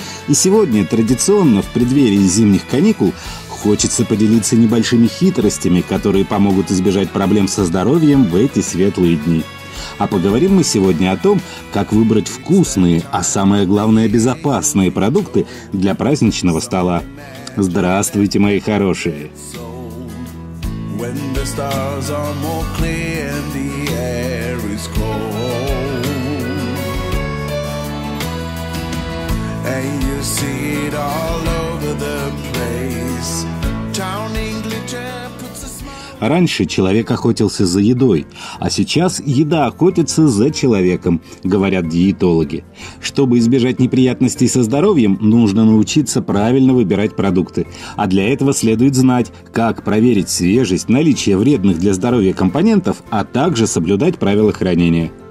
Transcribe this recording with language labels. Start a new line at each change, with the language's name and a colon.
Russian: И сегодня традиционно в преддверии зимних каникул хочется поделиться небольшими хитростями, которые помогут избежать проблем со здоровьем в эти светлые дни. А поговорим мы сегодня о том, как выбрать вкусные, а самое главное, безопасные продукты для праздничного стола. Здравствуйте, мои хорошие!
English: When the stars are more clear and the air is cold, and you see it all over the place, town in glitter.
Russian: Раньше человек охотился за едой, а сейчас еда охотится за человеком, говорят диетологи. Чтобы избежать неприятностей со здоровьем, нужно научиться правильно выбирать продукты. А для этого следует знать, как проверить свежесть, наличие вредных для здоровья компонентов, а также соблюдать правила хранения.